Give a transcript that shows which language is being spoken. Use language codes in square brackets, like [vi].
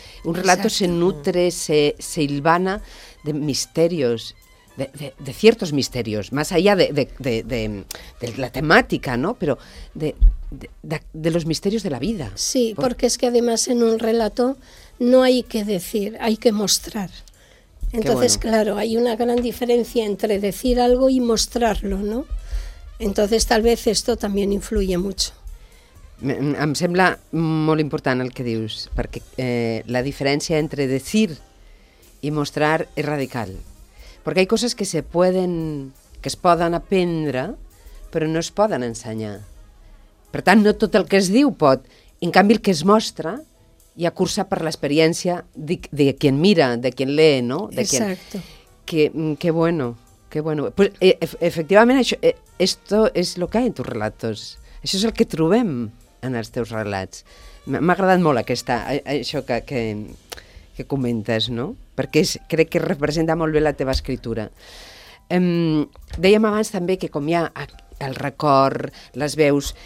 [es] Un relato se nutre, se hilvana de misterios, de ciertos misterios, más allá de la temática, ¿no?, pero de los misterios de la vida. Sí, porque es que además en un relato no hay que decir, hay que mostrar. Entonces, bueno, claro, hay una gran diferencia entre decir algo y mostrarlo, ¿no? Entonces, tal vez esto también influye mucho. [ca] Em sembla molt important el que dius, perquè la diferència entre decir i mostrar és radical. Perquè hi ha coses que es poden aprendre, però no es poden ensenyar. Per tant, no tot el que es diu pot. En canvi, el que es mostra ja cursa per l'experiència de qui en mira, de qui en lee, no? [es] De exacto. Que bueno. Pues, [ca] efectivament, això, [es] esto es lo que hay en tus relatos. [ca] Això és el que trobem en els teus relats. M'ha agradat molt aquesta, això que comentes, no? Perquè crec que representa molt bé la teva escritura. Dèiem abans també que com hi ha el record, les veus...